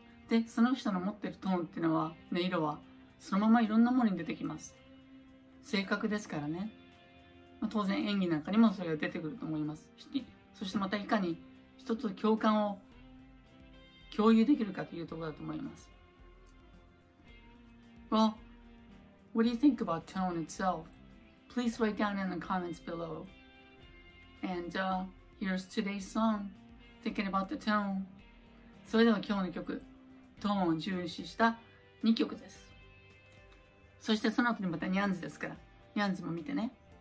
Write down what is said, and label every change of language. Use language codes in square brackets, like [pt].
[ja] で、その人の持ってるトーンっていうのは、音色はそのままいろんなものに出てきます。性格ですからね。当然演技なんかにもそれが出てくると思います。そしてまたいかに人と共感を共有できるかというところだと思います。 [en] Well, what do you think about tone itself? Please write down in the comments below. And here's today's song, Thinking About the Tone. [ja] それでは今日の曲、トーンを重視した2曲です。そしてその後にまたニャンズですから、ニャンズも見てね。